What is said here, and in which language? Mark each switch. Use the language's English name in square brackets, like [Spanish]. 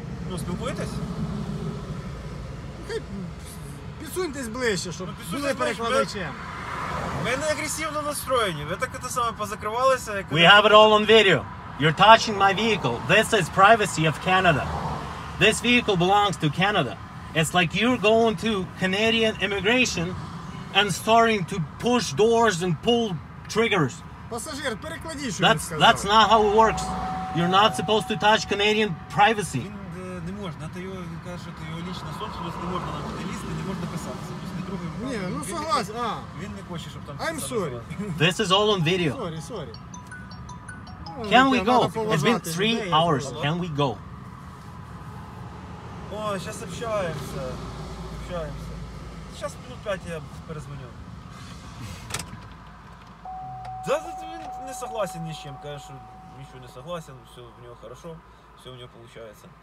[Ukrainian] Ну, спілкуєтесь? Підсуньтесь ближче, щоб були перекладачем. Ви не агресивно настроєні. Ви так це саме позакривалися. [English] We have it all on video. You're touching my vehicle. This is privacy of Canada. This vehicle belongs to Canada. It's like you're going to Canadian immigration and starting to push doors and pull triggers. [Ukrainian] Пассажир, перекладіть, що він сказав. [English] That's not how it works. You're not supposed to touch Canadian privacy. [Ukrainian] Не можна, це його, він каже, це його лична собственность, не можна на це лізти, не можна писатися. Ні, ну согласен, а. Він не хоче, щоб там... [English] I'm sorry. This is all on video. Sorry, sorry. Can we go? It's been 3 hours. Can we go? [Ukrainian] О, зараз общаємося. Зараз минут 5 я перезвоню. Да, він не согласен ні з чим. Каже, що нічого не согласен, все в нього хорошо, все в нього виходить.